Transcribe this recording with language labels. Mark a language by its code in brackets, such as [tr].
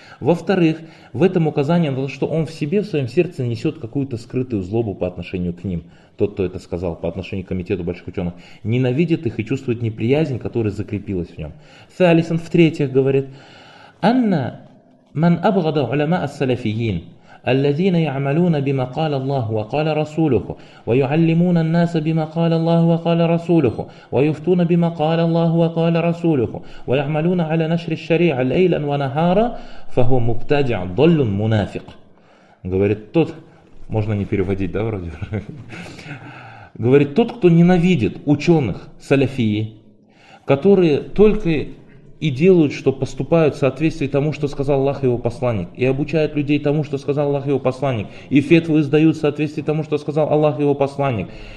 [ru] Во-вторых, в этом указании на то, что он в себе, в своем сердце несет какую-то скрытую злобу по отношению к ним, тот, кто это сказал, по отношению к комитету больших ученых, ненавидит их и чувствует неприязнь, которая закрепилась в нем. [ar] Фалисон [ru] в-третьих говорит, [ar] «Анна ман абгада улема ас-саляфиин». الذين يعملون بما قال الله وقال رسوله ويعلمون الناس بما قال الله وقال رسوله ويفتون بما قال الله وقال رسوله ويعملون على نشر الشريعة ليلا ونهارا فهو مبتدع ضل منافق. [ru] Говорит тот, можно не переводить, да, вроде. Говорит тот, кто ненавидит ученых саляфии, которые только и делают, что поступают в соответствии тому, что сказал Аллах и его посланник, и обучают людей тому, что сказал Аллах и его посланник, и фетвы издают в соответствии тому, что сказал Аллах и его посланник,